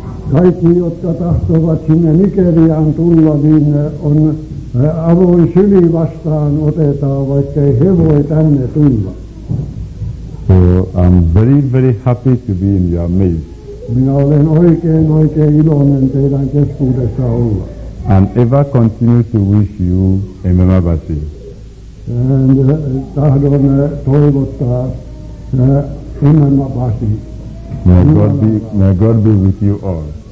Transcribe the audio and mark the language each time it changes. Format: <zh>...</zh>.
<fi>Kaikki, jotka tahtovat sinne Nigeriaan tulla, niin on avoin syli vastaan otetaan, vaikkei he voi tänne tulla.</fi> <en>So I'm very, very happy to be in your midst.</en> <fi>Minä olen oikein, oikein iloinen teidän keskuudessa olla.</fi> <en>And ever continue to wish you a memabasi.</en> <fi>And tahdon toivottaa memabasi.</fi> <en>May God be with you all.</en>